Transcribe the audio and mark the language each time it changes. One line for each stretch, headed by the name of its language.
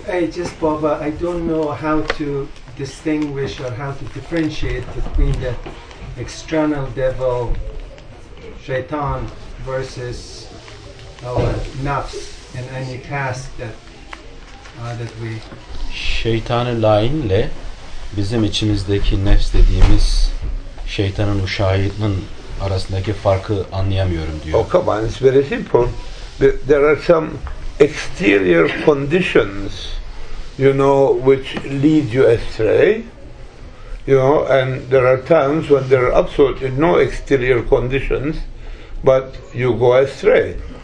English: Just Baba, I don't know how to distinguish or how to differentiate between the external devil, Shaitan, versus our nafs in any task that that we.
Turkish: Şeytanı lainle bizim içimizdeki nefs dediğimiz şeytanın uşağının arasındaki farkı anlayamıyorum diyor.
English: Oh come on, it's very simple. There are some exterior conditions, you know, which lead you astray, you know, and there are times when there are absolutely no exterior conditions, but you go astray.